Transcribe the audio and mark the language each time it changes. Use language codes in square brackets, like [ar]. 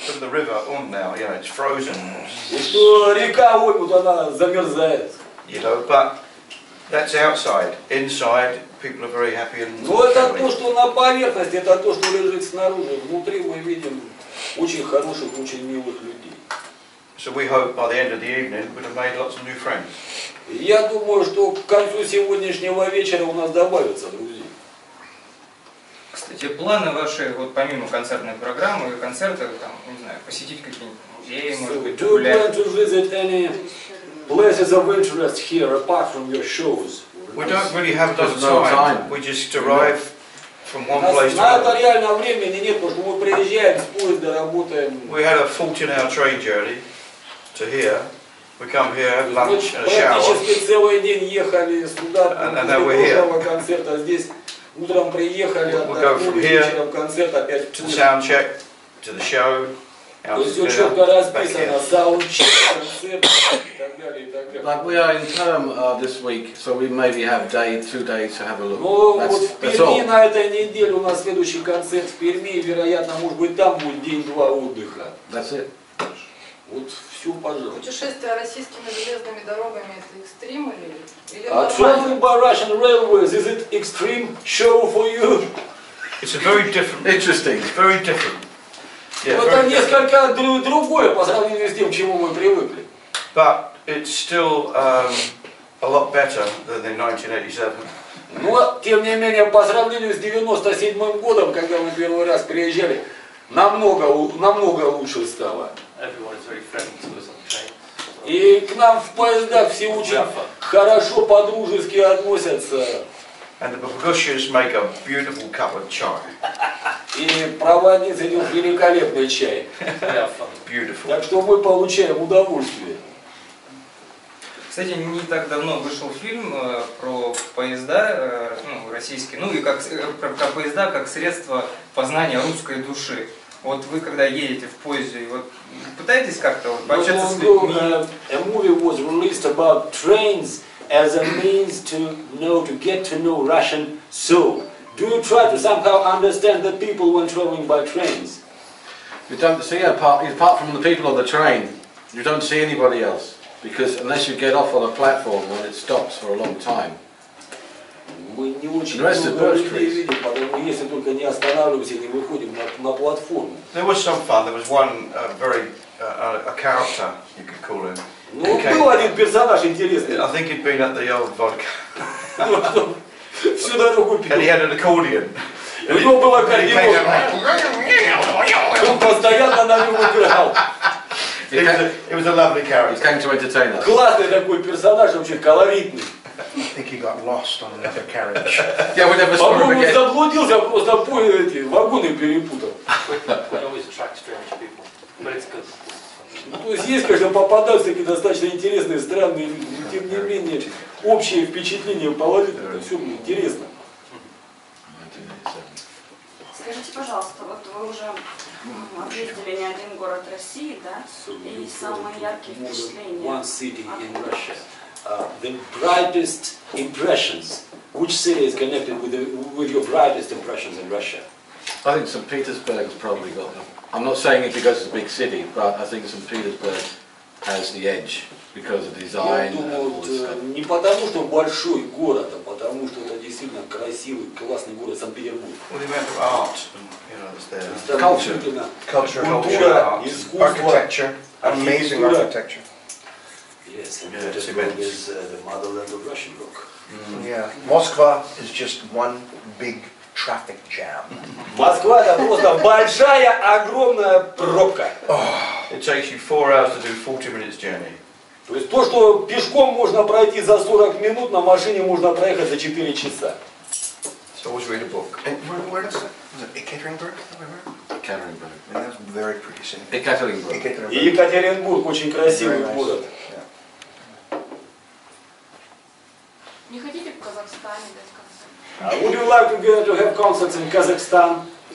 [en] From the river on now, you know, it's frozen. [ru] И что река вот, вот она замерзает. [en] You know, but that's outside. Inside, people are very happy and. [ru] Ну это то, что на поверхности, это то, что лежит снаружи. Внутри мы видим очень хороших, очень милых людей. [en] So we hope by the end of the evening we'd have made lots of new friends. [ru] Я думаю, что к концу сегодняшнего вечера у нас добавятся друзья. Кстати, планы ваши, вот помимо концертной программы и концерта, там, не знаю, посетить какие-нибудь музеи, может быть, гулять? [en] Do you plan to visit any places of interest here, apart from your shows? We don't really have the time. We just arrive from one place to another. [ru] На это реально времени нет, потому что мы приезжаем с поезда, работаем. [en] We had a 14-hour train journey to here. We come here, have lunch and a shower. [ru] Практически целый день ехали сюда, до концерта здесь. Утром приехали, вечером концерт, опять туда. [en] Soundcheck, to the show. [ru] То есть все четко расписано, soundcheck, концерт и так далее, и так далее. [en] Like we are in term this week, so we maybe have day, two days to have a look. [ru] Ну вот в Перми на этой неделе у нас следующий концерт в Перми, и, вероятно, может быть, там будет день-два отдыха. [en] That's it. [ru] Вот все, пожалуйста. Путешествия российскими железными дорогами это экстрим или? [en] Traveling by Russian railways, is it extreme show for you? It's a very different. Interesting. It's very different. [ru] Yeah, вот там несколько другое по сравнению с тем, к чему мы привыкли. [en] But it's still a lot better than the 1987. [ru] Но тем не менее по сравнению с 97 годом, когда мы первый раз приезжали, намного лучше стало. [en] Everyone is very friendly to us on the train. [ru] И к нам в поездах все очень хорошо по-дружески относятся. [en] And the babushkas make a beautiful cup of chai. [ru] И проводницы делают великолепный чай. [en] Beautiful. [ru] Так что мы получаем удовольствие. Кстати, не так давно вышел фильм про поезда, российские, ну и как про поезда как средство познания русской души. Вот вы когда едете в поезде, вот пытаетесь как-то вот пообщаться с людьми. [en] A movie was released about trains as a means to get to know Russian soul. Do you try to somehow understand the people when traveling by trains? You don't see apart from the people on the train. You don't see anybody else. Because unless you get off on a platform when it stops for a long time. The rest of birch trees. There was some fun. There was one a character, you could call him. [ru] Ну, был один персонаж интересный. [en] I think he'd been at the old vodka. [ru] Всю дорогу пил. [en] And he had an accordion. [ru] У него был аккордеон. Он постоянно на нем играл. [en] It was a lovely character. He's going to entertain us. [ru] Классный такой персонаж, вообще колоритный. [en] I think he got lost on another carriage. Yeah, we never saw him again. [ru] Заблудился, просто понял эти вагоны перепутал. [en] It always attracts strange people, but it's good. [ru] То есть есть, конечно, попадаются такие достаточно интересные, странные люди, но тем не менее, общее впечатление положительное, все мне интересно. Скажите, пожалуйста, вот вы уже объездили не один город России, да? И самые яркие впечатления. [en] One city in Russia. The brightest impressions. Which city is connected with your brightest impressions in Russia? I think St. Petersburg's probably got them. I'm not saying it because it's a big city, but I think St. Petersburg has the edge because of design. [ru] Не потому что большой город, а потому что это действительно красивый, классный город Санкт-Петербург. [en] What do you mean by art? Culture, art, architecture, amazing architecture. Yes, St. Petersburg is the motherland of Russian rock. Yeah, Moscow is just one big traffic jam. [ru] Москва это просто большая огромная пробка. [en] It takes you 4 hours to do 40-minute journey. [ru] То есть то, что пешком можно пройти за 40 минут, на машине можно проехать за 4 часа. [en] So always read a book. Where is it? Was it Ekaterinburg? Ekaterinburg. That's very pretty city. Ekaterinburg. [ru] Ekaterinburg очень красивый город. Не хотите в Казахстане дать концерт? [en] Would you like to have concerts in Kazakhstan?